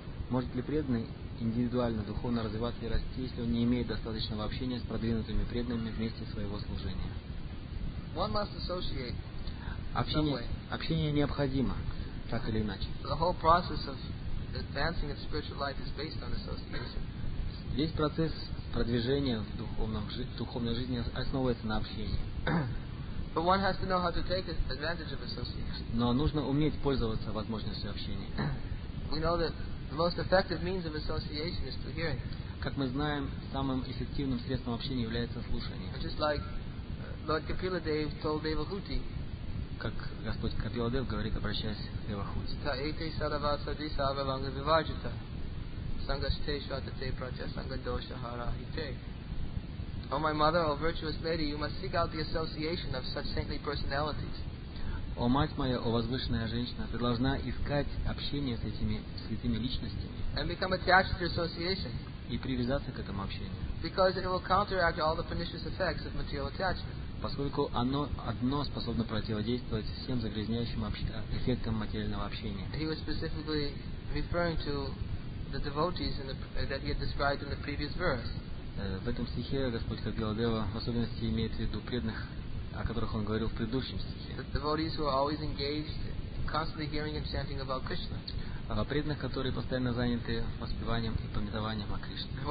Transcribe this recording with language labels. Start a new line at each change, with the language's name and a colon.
Russian: Может ли преданный индивидуально духовно развиваться и расти, если он не имеет достаточного общения с продвинутыми преданными вместе своего служения?
English: One must associate.
Russian: Общение необходимо, так или иначе.
English: The whole process of advancing in spiritual life is based on association.
Russian: Весь процесс продвижения в духовной жизни основывается на общении.
English: But one has to know how to take advantage of association.
Russian: Но нужно уметь пользоваться возможностью общения.
English: We know that the most effective means of association is through hearing.
Russian: Как мы знаем, самым эффективным средством общения является слушание.
English: Just like Lord Kapila Dev told Devahuti.
Russian: Как Господь Капиладев говорит, обращаясь к Девахути.
Sanskrit: Таэйте сарава садиса ававанга виваджита. Сангаште шватате прача сангадоша харахите.
English: О, my mother, O virtuous lady, you must seek out the association of such saintly personalities.
Russian: О, мать моя, о возвышенная женщина, ты должна искать общение с этими святыми личностями.
English: And become attached to your association.
Russian: и привязаться к этому общению.
English: Because it will counteract all the pernicious effects of material attachment.
Russian: Поскольку оно одно способно противодействовать всем загрязняющим эффектам материального общения.
English: He was specifically referring to the devotees in the, that he had described in the previous verse.
Russian: В этом стихе Господь Кагиладева в особенности имеет в виду преданных, о которых он говорил в предыдущем стихе.
English: The devotees who are always engaged, constantly hearing and chanting about Krishna.
Russian: Преданных, которые постоянно заняты воспеванием и памятованием о Кришне.